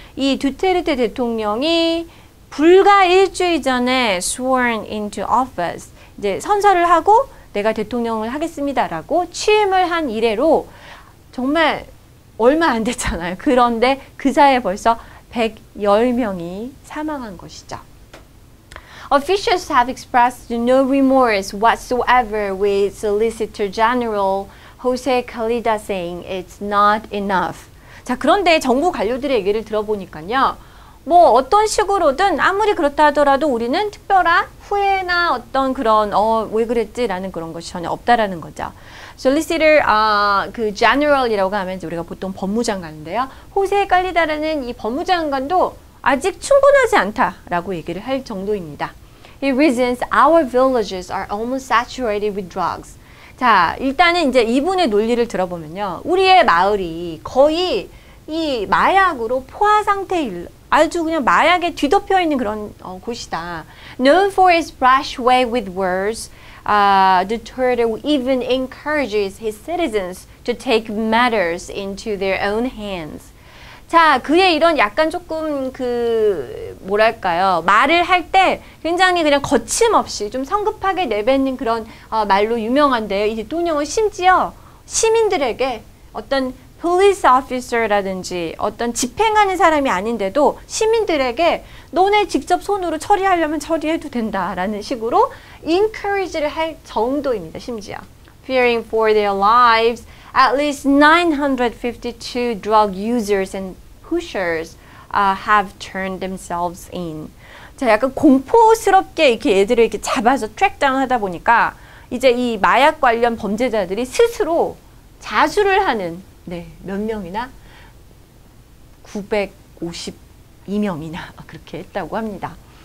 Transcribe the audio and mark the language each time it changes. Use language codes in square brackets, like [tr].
[ko] 이 두테르테 대통령이 불과 일주일 전에 [en] sworn into office, [ko] 이제 선서를 하고 내가 대통령을 하겠습니다라고 취임을 한 이래로 정말 얼마 안 됐잖아요. 그런데 그 사이에 벌써 110명이 사망한 것이죠. [en] Officials have expressed no remorse whatsoever with Solicitor General Jose Calida saying it's not enough. [ko] 자, 그런데 정부 관료들의 얘기를 들어보니까요. 뭐 어떤 식으로든 아무리 그렇다 하더라도 우리는 특별한 후회나 어떤 그런 왜 그랬지라는 그런 것이 전혀 없다라는 거죠. Solicitor, 그 General이라고 하면 우리가 보통 법무장관인데요. 호세 깔리다라는 이 법무장관도 아직 충분하지 않다라고 얘기를 할 정도입니다. [en] He reasons our villages are almost saturated with drugs. [ko] 자, 일단은 이제 이분의 논리를 들어보면요. 우리의 마을이 거의 이 마약으로 포화 상태일 아주 그냥 마약에 뒤덮여 있는 그런 곳이다. [en] Known for his brash way with words, Duterte even encourages his citizens to take matters into their own hands. [ko] 자, 그의 이런 약간 조금 그 뭐랄까요? 말을 할 때 굉장히 그냥 거침없이 좀 성급하게 내뱉는 그런 말로 유명한데요. 이 대통령은 심지어 시민들에게 어떤 [en] police officer [ko] 라든지 어떤 집행하는 사람이 아닌데도 시민들에게 너네 직접 손으로 처리하려면 처리해도 된다라는 식으로 encourage를 할 정도입니다. 심지어 [en] fearing for their lives, at least 952 drug users and pushers have turned themselves in. [ko] 자, 약간 공포스럽게 이렇게 얘들을 이렇게 잡아서 트랙다운하다 보니까 이제 이 마약 관련 범죄자들이 스스로 자수를 하는 네, 몇 명이나 952명이나 그렇게 했다고 합니다.